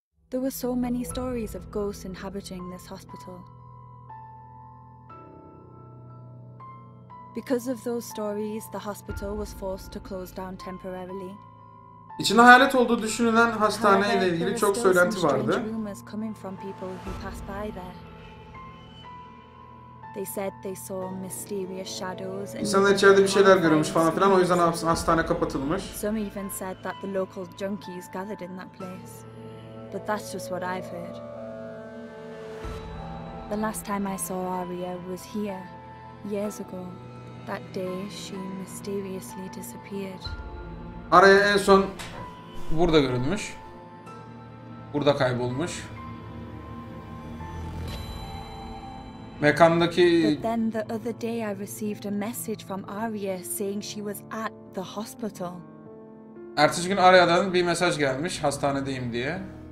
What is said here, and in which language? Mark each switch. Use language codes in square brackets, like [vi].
[en] There were so many stories of ghosts inhabiting this hospital. Because of those stories, the hospital was forced to close down temporarily. [tr] İçinde hayalet olduğu düşünülen hastane ile ilgili çok söylenti vardı. [en] Rumors coming from people who passed by there. They said they saw mysterious shadows. [tr] İnsanlar içeride bir şeyler görmüş falan filan, o yüzden hastane kapatılmış. [en] Some even said that the local junkies gathered in that place. But that's just what I've heard. The last time I saw Aria was here, years ago. That day she mysteriously disappeared. [tr] Aria en son burada görülmüş. Burada kaybolmuş. Mekandaki... [en] But then the other day I received a message from Aria saying she was at the hospital. [tr] Ertesi gün Aria'dan bir mesaj gelmiş, hastanedeyim diye.